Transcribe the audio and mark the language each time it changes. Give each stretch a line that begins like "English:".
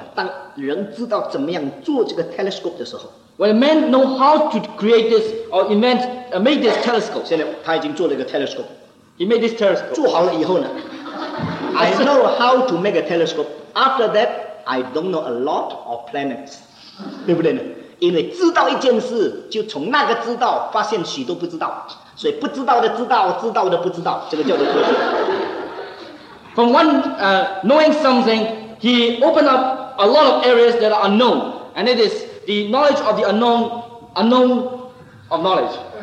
Chinese: 当人知道怎么样做这个 telescope 的时候。
English: When a man know how to create this or invent, make this telescope.
Chinese: 现在他已经做了一个 telescope.
English: He made this telescope.
Chinese: 做好了以后呢
English: I know how to make a telescope. After that, I don't know a lot of planets.
Chinese: 对不对呢？因为知道一件事，就从那个知道发现许多不知道，所以不知道的知道，知道的不知道，这个叫做科学。
English: From one knowing something, he opened up a lot of areas that are unknown, and it is. The knowledge of the unknown, unknown of knowledge.